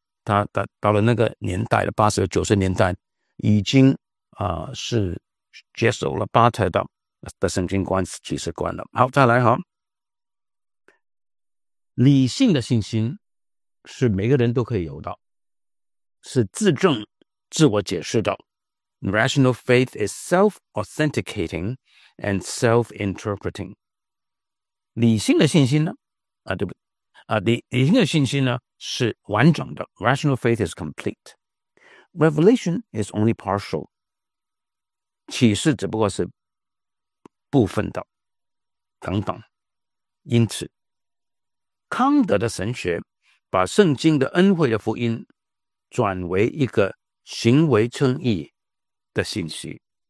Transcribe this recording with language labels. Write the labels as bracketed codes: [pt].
[zh] 他到了那个年代的80、90年代，已经是接受了巴特的圣经观、启示观了。好，再来哈，理性的信心是每个人都可以有的，是自证、自我解释的。 [en] Rational faith is self-authenticating and self-interpreting. [zh] 理性的信心呢？理性的信心呢是完整的。 [en] Rational faith is complete. Revelation is only partial. [zh] 启示只不过是部分的等等。因此，康德的神学把圣经的恩惠的福音转为一个行为称义的信息。